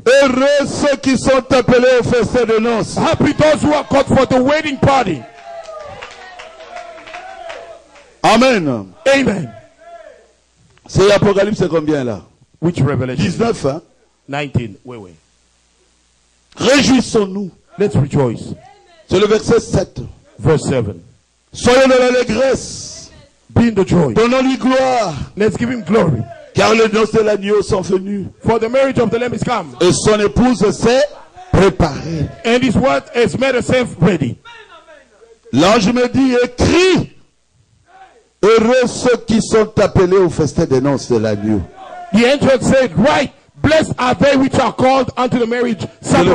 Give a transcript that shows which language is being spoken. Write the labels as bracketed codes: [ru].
[fr] Heureux ceux qui sont appelés au festin de noces. [en] Happy those who are called for the wedding party. [fr] Amen. [en] Amen. [fr] C'est l'Apocalypse, c'est combien là? [en] Which revelation? [fr] 19, hein? 19, oui, oui. Réjouissons-nous. [en] Let's rejoice. [fr] C'est le verset 7. [en] Verse 7. [fr] Soyons dans l'allégresse. [en] Be in the joy. [fr] Donnons-lui gloire. [en] Let's give him glory. [fr] Car les noces de l'agneau sont venues. [en] For the marriage of the lamb is come. [fr] Et son épouse s'est préparée. [en] And his wife has made herself ready. [fr] L'ange me dit, écris. Heureux ceux qui sont appelés au festin des noces de l'agneau. [en] The angel said, write. Blessed are they which are called unto the marriage supper.